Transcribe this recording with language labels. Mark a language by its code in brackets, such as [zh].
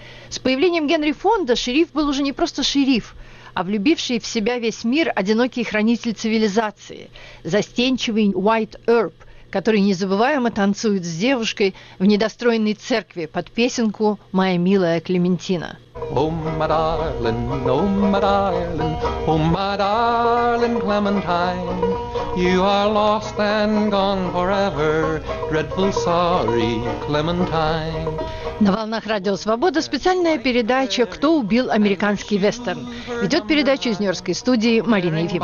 [ru] С появлением Генри Фонда шериф был уже не просто шериф, а влюбивший в себя весь мир одинокий хранитель цивилизации, застенчивый Уайт Эрп, который незабываемо танцует с девушкой в недостроенной церкви под песенку «Моя милая Клементина». [en] Oh, my darling, oh, my darling, Clementine, you are lost and gone forever, dreadful sorry, Clementine. [ru] На волнах Радио Свобода специальная передача «Кто убил американский вестерн?» Ведет передачу из Нью-Йоркской студии Марина